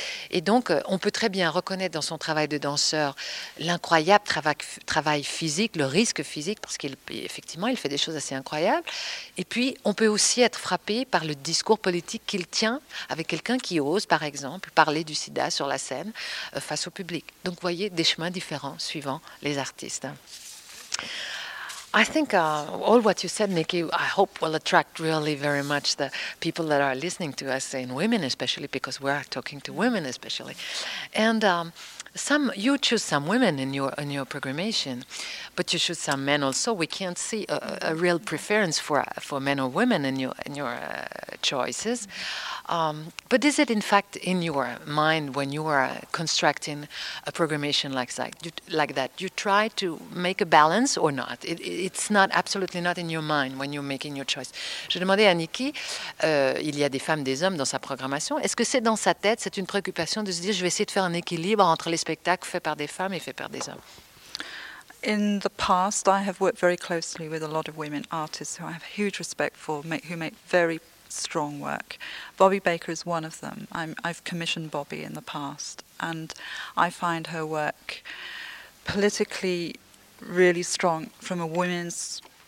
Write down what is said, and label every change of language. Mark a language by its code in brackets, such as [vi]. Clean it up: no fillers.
[fr] Et donc, on peut très bien reconnaître dans son travail de danseur l'incroyable travail physique, le risque physique, parce qu'effectivement, il fait des choses assez incroyables. Et puis, on peut aussi être frappé par le discours politique qu'il tient avec quelqu'un qui ose, par exemple, parler du sida sur la scène face au public. Donc, vous voyez, des chemins différents suivant les artistes. [en] I think all what you said, Nikki, I hope will attract really very much the people that are listening to us, and women especially, because we are talking to women especially. And you choose some women in your programmation, but you choose some men also. We can't see a real preference for men or women in your choices. But is it in fact in your mind when you are constructing a programmation like that? You try to make a balance or not? It's not absolutely not in your mind when you're making your choice. [fr] Je demandais à Nikki, il y a des femmes, des hommes dans sa programmation. Est-ce que c'est dans sa tête, c'est une préoccupation de se dire, je vais essayer de faire un équilibre entre les spectacles faits par des femmes et faits par des hommes? [en] In the past, I have worked very closely with a lot of women artists who I have huge respect for, who make very strong work. Bobby Baker is one of them. I've commissioned Bobby in the past, and I find her work politically really strong from a women's